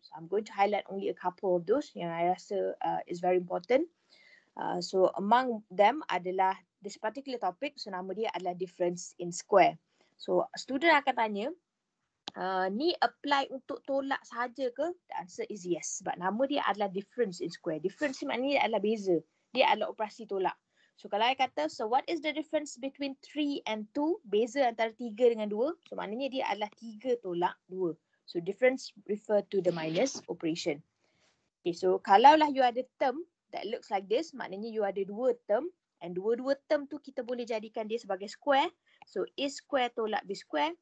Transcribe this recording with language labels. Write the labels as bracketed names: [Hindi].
[English] So I'm going to highlight only a couple of those [Malay] yang I rasa [English] is very important. So among them adalah this particular topic. [Malay] So nama dia adalah difference in square. So student akan tanya, ni apply untuk tolak sahaja ke? [English] The answer is yes. [Malay] Sebab nama dia adalah difference in square. Difference maknanya adalah beza. Dia adalah operasi tolak. So kalau I kata, [English] so what is the difference between 3 and 2? [Malay] Beza antara 3 dengan 2. So maknanya dia adalah 3 tolak 2. [English] So difference refer to the minus operation. Okay, so kalaulah you ada term that looks like this, [Malay] maknanya you ada 2 term. And 2-2 term tu kita boleh jadikan dia sebagai square. So A square tolak B square.